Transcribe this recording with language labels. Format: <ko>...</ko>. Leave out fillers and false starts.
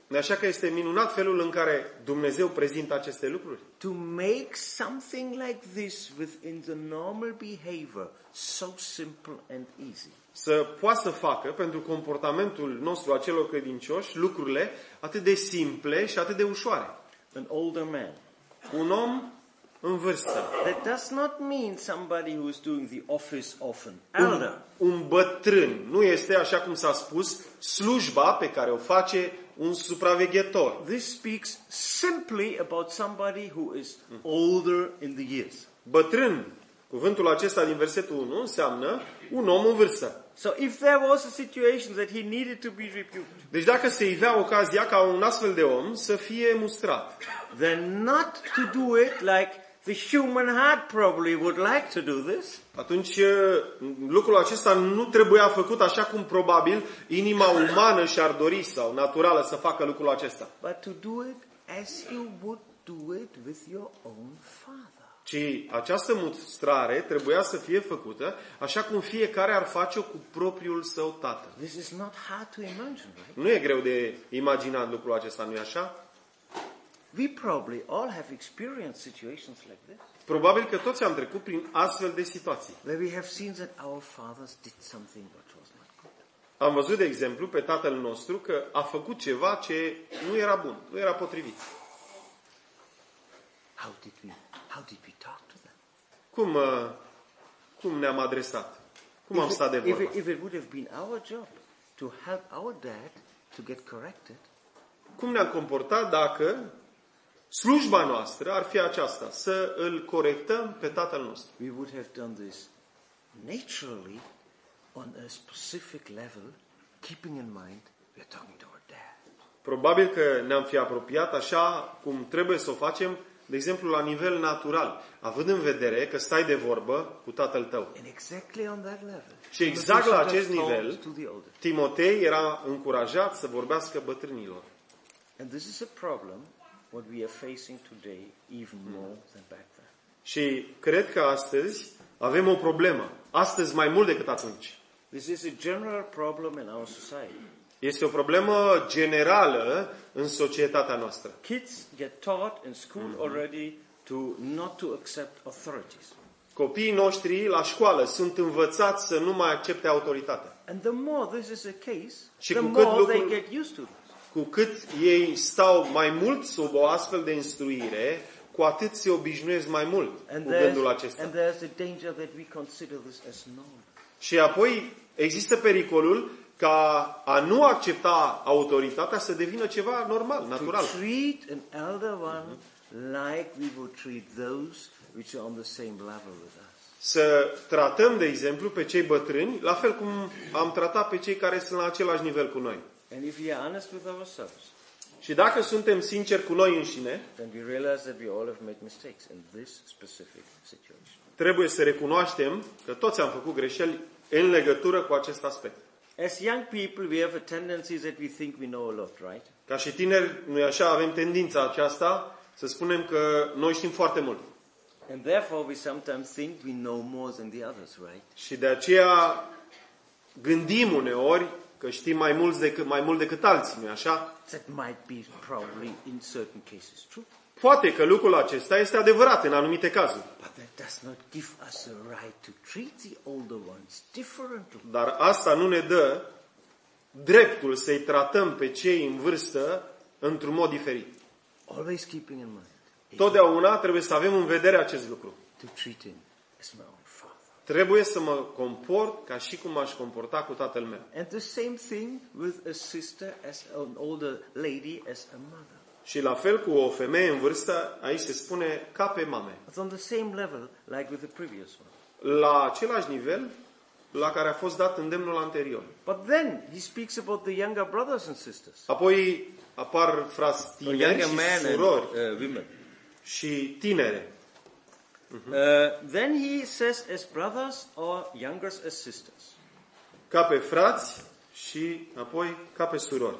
<ro>Așa că este minunat felul în care Dumnezeu prezintă aceste lucruri.</ro> <en>To make something like this within the normal behavior so simple and easy.</en> <ro>Să poată să facă pentru comportamentul nostru a celor credincioși lucrurile atât de simple și atât de ușoare.</ro> <en>An older man.</en> <ro>Un om în vârstă.</ro> <en>That does not mean somebody who is doing the office of an elder.</en> <ro>Un bătrân nu este, așa cum s-a spus, slujba pe care o face un supraveghetor.</ro> <en>This speaks simply about somebody who is older in the years.</en> <ro>Bătrân, cuvântul acesta din versetul 1 înseamnă un om în vârstă.</ro> <en>So if there was a situation that he needed to be rebuked.</en> <ro>Deci dacă se ivea ocazia ca un astfel de om să fie mustrat.</ro> <en>Then not to do it like the human heart probably would like to do this.</en> <ro>Atunci lucrul acesta nu trebuia făcut așa cum probabil inima umană și-ar dori sau naturală să facă lucrul acesta.</ro> <en>But to do it as you would do it with your own father.</en> <ro>Și această mustrare trebuia să fie făcută așa cum fiecare ar face-o cu propriul său tată.</ro> <en>This is not hard to imagine, right?</en> <ro>Nu e greu de imaginat lucrul acesta, nu-i așa?</ro> <en>We probably all have experienced situations like this.</en> <ro>Probabil că toți am trecut prin astfel de situații.</ro> <en>Where we have seen that our fathers did something which was not good.</en> <ro>Am văzut, de exemplu, pe tatăl nostru că a făcut ceva ce nu era bun, nu era potrivit.</ro> <en>How did we talk to them?</en> <ro>Cum ne-am adresat? Cum</ro> <en>if</en> <ro>am stat de vorbă?</ro> <en>If it would have been our job to help our dad to get corrected,</en> <ro>cum ne-am comportat dacă slujba noastră ar fi aceasta, să îl corectăm pe tatăl nostru?</ro> <en>We would have done this naturally on a specific level, keeping in mind we're talking to our dad.</en> <ro>Probabil că ne-am fi apropiat așa cum trebuie să o facem, de exemplu la nivel natural, având în vedere că stai de vorbă cu tatăl tău.</ro> <en>And exactly on that level.</en> <ro>Și exact la acest nivel, Timotei era încurajat să vorbească bătrânilor.</ro> <en>And this is a problem what we are facing today even more than back then.</en> <ro>Și cred că astăzi avem o problemă, astăzi mai mult decât atunci.</ro> <en>This is a general problem in our society.</en> <ro>Este o problemă generală în societatea noastră.</ro> <en>Kids get taught in school already to not to accept authorities.</en> <ro>Copiii noștri la școală sunt învățați să nu mai accepte autoritatea.</ro> <en>And the more this is a case, the more they get used to it.</en> <ro>Cu cât ei stau mai mult sub o astfel de instruire, cu atât se obișnuiesc mai mult cu gândul acesta.</ro> <en>And there's a danger that we consider this as normal.</en> <ro>Și apoi există pericolul ca a nu accepta autoritatea să devină ceva normal, natural.</ro> <en>To treat an elder one like we would treat those which are on the same level with us.</en> <ro>Să tratăm, de exemplu, pe cei bătrâni la fel cum am tratat pe cei care sunt la același nivel cu noi.</ro> <en>And if we are honest with ourselves,</en> <ro>și dacă suntem sinceri cu noi înșine,</ro> <en>then we realize that we all have made mistakes in this specific situation.</en> <ro>Trebuie să recunoaștem că toți am făcut greșeli în legătură cu acest aspect.</ro> <en>As young people, we have a tendency that we think we know a lot, right?</en> <ro>Ca și tineri, noi așa avem tendința aceasta să spunem că noi știm foarte mult.</ro> <en>And therefore, we sometimes think we know more than the others, right?</en> <ro>Și de aceea gândim uneori că știm mai mult decât alții, nu-i așa?</ro> <en>That might be probably in certain cases true.</en> <ro>Poate că lucrul acesta este adevărat în anumite cazuri.</ro> <en>But that does not give us a right to treat the older ones differently.</en> <ro>Dar asta nu ne dă dreptul să-i tratăm pe cei în vârstă într-un mod diferit.</ro> <en>Always keeping in mind.</en> <ro>Totdeauna trebuie să avem în vedere acest lucru.</ro> <en>To treat him as my own father.</en> <ro>Trebuie să mă comport ca și cum aș comporta cu tatăl meu.</ro> <en>And the same thing with a sister as an older lady as a mother.</en> <ro>Și la fel cu o femeie în vârstă, aici se spune ca pe mame.</ro> <en>On the same level, like with the previous one.</en> <ro>La același nivel la care a fost dat îndemnul anterior.</ro> <en>But then he speaks about the younger brothers and sisters.</en> <ro>Apoi apar fratinieri și surori,</ro> <en>women.</en> <ro>Și tinere.</ro> <en>Then he says as brothers or younger as sisters.</en> <ro>Ca pe frați și apoi ca pe surori.</ro>